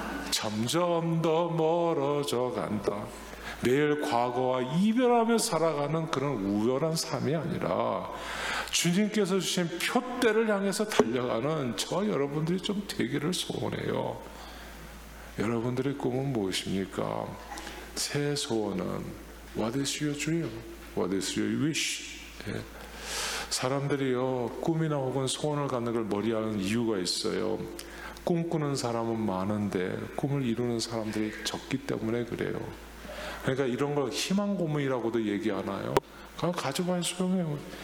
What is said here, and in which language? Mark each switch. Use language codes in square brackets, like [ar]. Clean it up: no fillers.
[ko] 점점 더 멀어져 간다. 매일 과거와 이별하며 살아가는 그런 우연한 삶이 아니라 주님께서 주신 푯대를 향해서 달려가는 저 여러분들이 좀 되기를 소원해요. 여러분들의 꿈은 무엇입니까? 새 소원은 [en] What is your dream? What is your wish? [ko] 네. 사람들이요 꿈이나 혹은 소원을 갖는 걸 머리하는 이유가 있어요. 꿈꾸는 사람은 많은데 꿈을 이루는 사람들이 적기 때문에 그래요. 그러니까 이런 걸 희망 고문이라고도 얘기 하나요? 그냥 가져봐야 소용해요.